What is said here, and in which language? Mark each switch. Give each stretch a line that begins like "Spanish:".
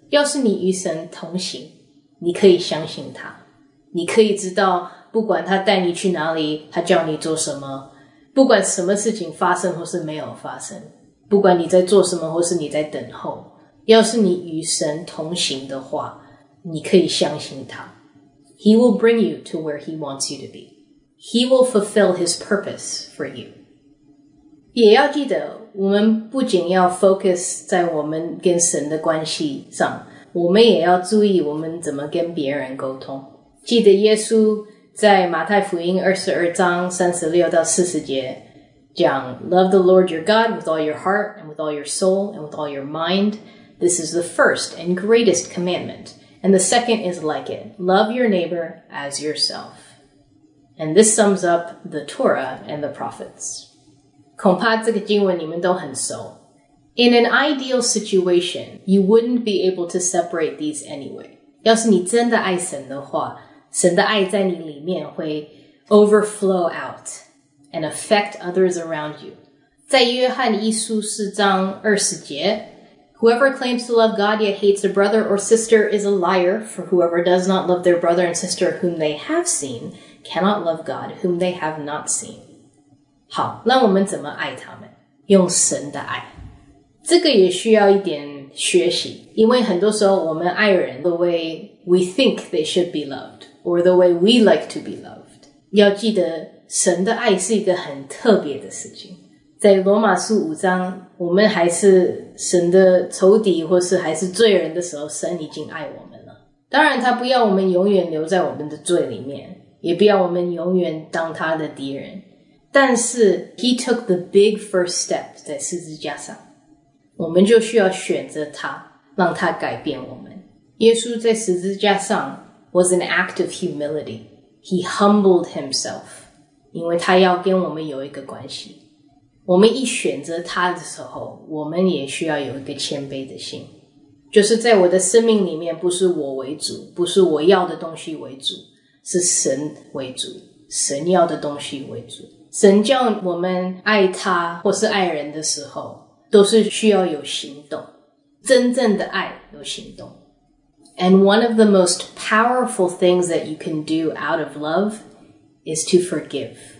Chinese: 要是你与神同行，你可以相信他，你可以知道不管他带你去哪里，他叫你做什么，不管什么事情发生或是没有发生，不管你在做什么或是你在等候，要是你与神同行的话，你可以相信他。
English: He will bring you to where he wants you to be. He will fulfill his purpose for you.
Chinese: 也要记得，我们不仅要 focus 在我们跟神的关系上，我们也要注意我们怎么跟别人沟通。记得耶稣在马太福音22:36-40讲
English: Love the Lord your God with all your heart and with all your soul and with all your mind. This is the first and greatest commandment. And the second is like it. Love your neighbor as yourself. And this sums up the Torah and the prophets.
Chinese: 恐怕这个经文你们都很熟。
English: In an ideal situation, you wouldn't be able to separate these anyway.
Chinese: 要是你真的爱神的话，神的爱在你里面会
English: overflow out and affect others around you.
Chinese: 在约翰一书4:20
English: Whoever claims to love God yet hates a brother or sister is a liar, for whoever does not love their brother and sister whom they have seen cannot love God whom they have not seen.
Chinese: 好，那我们怎么爱他们？用神的爱。这个也需要一点学习，因为很多时候我们爱人
English: the way we think they should be loved. Or the way we like to be loved.
Chinese: 要记得神的爱是一个很特别的事情。在罗马书5，我们还是神的仇敌或是还是罪人的时候，神已经爱我们了。当然他不要我们永远留在我们的罪里面，也不要我们永远当他的敌人。但是
English: He took the big first step
Chinese: 在十字架上。我们就需要选择他，让他改变我们。耶稣在十字架上
English: was an act of humility. He humbled himself.
Chinese: 因为他要跟我们有一个关系。我们一选择他的时候，我们也需要有一个谦卑的心，就是在我的生命里面不是我为主，不是我要的东西为主，是神为主，神要的东西为主。神叫我们爱他或是爱人的时候，都是需要有行动，真正的爱有行动。
English: And one of the most powerful things that you can do out of love is to forgive.